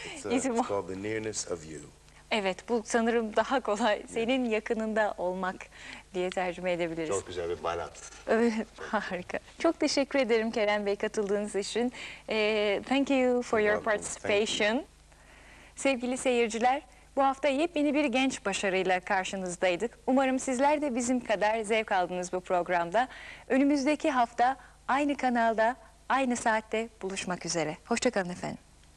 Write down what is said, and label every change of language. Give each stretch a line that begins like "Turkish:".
English: it's called The Nearness of You.
Turkish: Evet, bu sanırım daha kolay. Senin yakınında olmak diye tercüme edebiliriz. Çok güzel bir balat. Harika. Çok teşekkür ederim Kerem Bey katıldığınız için.
English: Thank you for your participation.
Turkish: Sevgili seyirciler, bu hafta yepyeni bir genç başarıyla karşınızdaydık. Umarım sizler de bizim kadar zevk aldınız bu programda. Önümüzdeki hafta aynı kanalda, aynı saatte buluşmak üzere. Hoşça kalın efendim.